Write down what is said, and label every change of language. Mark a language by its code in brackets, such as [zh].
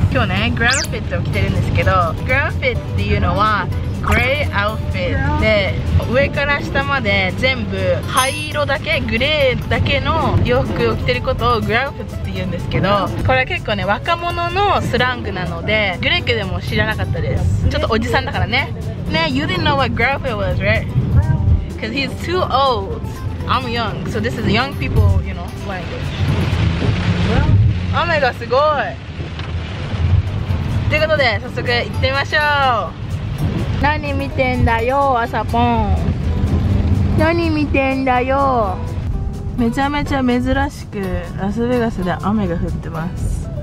[ja] 今日ねグラフフィットを着てるんですけど、グラフフィットっていうのはグレーアウトフィットで、上から下まで全部灰色だけ、グレーだけの洋服を着てることをグラフフィットって言うんですけど、これは結構ね若者のスラングなので、グレークでも知らなかったです。ちょっとおじさんだからね。 [en] ね、You didn't know what graph it was, right? Because he's too old. I'm young, so this is young people, you know, language. [ja] 雨がすごい。ということで、早速行ってみましょう。何見てんだよ、朝ポン。何見てんだよ。めちゃめちゃ珍しく、ラスベガスで雨が降ってます。